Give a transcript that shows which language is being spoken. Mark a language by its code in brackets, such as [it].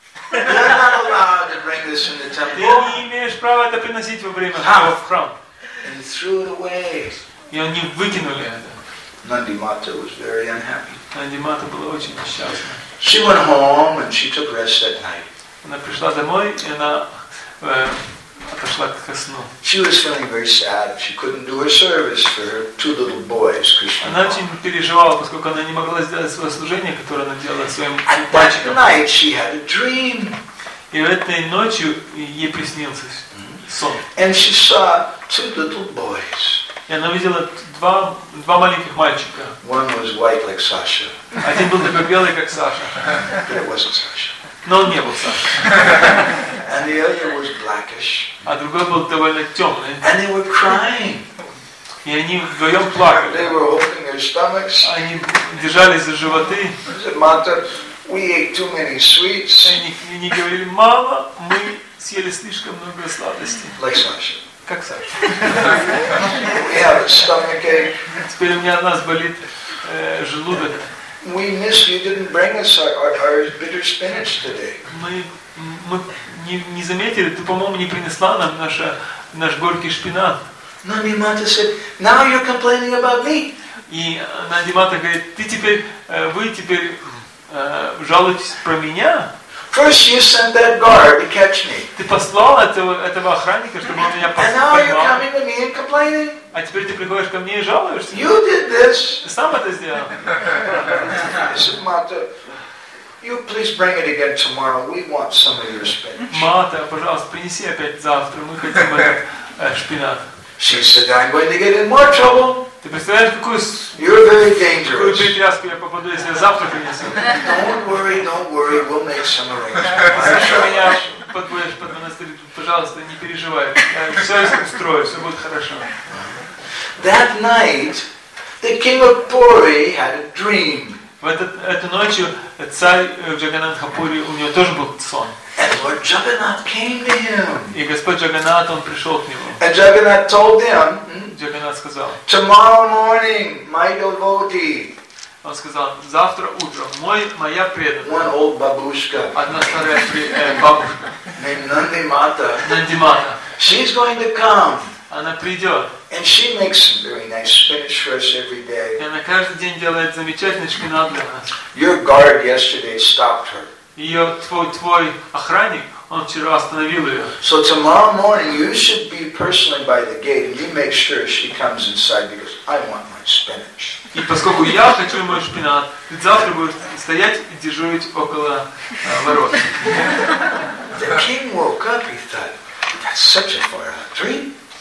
[en] You're not allowed to bring this in the temple. [ru] Ты не имеешь права это приносить во время храма в храм. [en] And threw it away. [ru] И они выкинули это. [en] Нандимата was very unhappy. [ru] Нандимата была очень несчастна. [en] She went home and she took rest that night. [ru] Она пришла домой и она отошла ко сну. [en] She was feeling very sad. She couldn't do her service for her two little boys, Krishna. [ru] Она очень переживала, поскольку она не могла сделать свое служение, которое она делала своим мальчикам. [en] And that night she had a dream. [ru] И этой ночью ей приснился сон. [en] And she saw two little boys. [ru] И она видела два маленьких мальчика. [en] One was white like Sasha. [ru] Один был такой белый, как Саша. [en] But it wasn't Sasha. [ru] Но он не был Саша. [en] And the other was blackish. [ru] А другой был довольно темный. [en] And they were crying. [ru] И они вдвоем плакали. [en] They were holding their stomachs. [ru] Они держались за животы. [en] Mata, we ate too many sweets. [ru] Они говорили, мама, мы съели слишком много сладостей. [en] Like Саша. [ru] Как Саша. [en] We have a stomachache. [ru] Теперь у меня у нас болит желудок. [en] We miss you didn't bring us our bitter spinach today. [ru] Мы не заметили, ты, по-моему, не принесла нам наш горький шпинат. [en] Nandi Mata said, "Now you're complaining about me." [ru] И Nandi Mata говорит, вы теперь жалуетесь про меня? [en] First you sent that guard to catch me. [ru] Ты послала этого охранника, чтобы он меня поймал. [en] And now you're coming to me and complaining? [ru] А теперь ты приходишь ко мне и жалуешься? [en] You did this. [ru] Ты сам это сделал. [en] Mata, you please bring it again tomorrow. We want some of your spinach. [ru] Mata, пожалуйста, принеси опять завтра. Мы хотим этот шпинат. [en] She said, "I'm going to get in more trouble." [ru] Ты представляешь, какую? [en] You're very dangerous. [ru] Какую перетряску я попаду, если я завтра принесу? [en] Don't worry. We'll make some arrangements. [ru] Меня подводишь под монастырь. Пожалуйста, не переживай. Я все устрою. Все будет хорошо. [en] That night, the king of Puri had a dream. [ru] В эту ночью царь Джаганнатха Пури, у него тоже был сон. [en] And Lord Jagannath came to him. [ru] И Господь Джаганнат, он пришел к нему. [en] And Jagannath told him. [ru] Джаганнат сказал. [en] Tomorrow morning, my devotee. [ru] Он сказал, завтра утром моя преданная. [en] One old бабушка. [ru] Одна старая бабушка. [en] Named Nandi Mata. She's going to come. [ru] Она придет. [en] And she makes some very nice spinach for us every day. [ru] И она каждый день делает замечательный шпинат для нас. [en] Your guard yesterday stopped her. [ru] Ее твой охранник, он вчера остановил ее. [en] So tomorrow morning you should be personally by the gate and you make sure she comes inside because I want my spinach. [ru] И поскольку я хочу мой шпинат, ты завтра будешь стоять и дежурить около ворот. [en] The king woke up, he thought, that's such a far out dream.